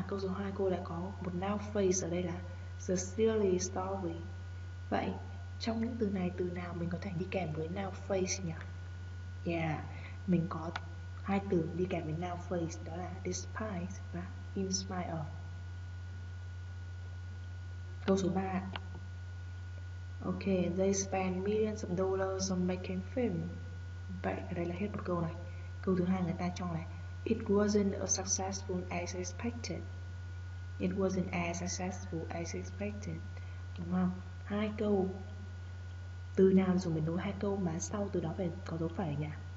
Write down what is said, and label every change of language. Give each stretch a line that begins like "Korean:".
Vietnamese: Câu số 2 cô lại có một now phrase ở đây là the silly story. Vậy trong những từ này, từ nào mình có thể đi kèm với now phrase nhỉ? Mình có hai từ đi kèm với now phrase, đó là despise và in spite of. Câu số 3.
English: Ok, they spend millions of dollars on making film.
Vietnamese: Vậy ở đây là hết một câu này. Câu thứ hai người ta cho này,
English: it wasn't as successful as expected. It wasn't as successful as expected.
Vietnamese: Đúng không? Hai câu, từ nào dùng để nối hai câu mà sau từ đó phải có dấu phẩy nhỉ?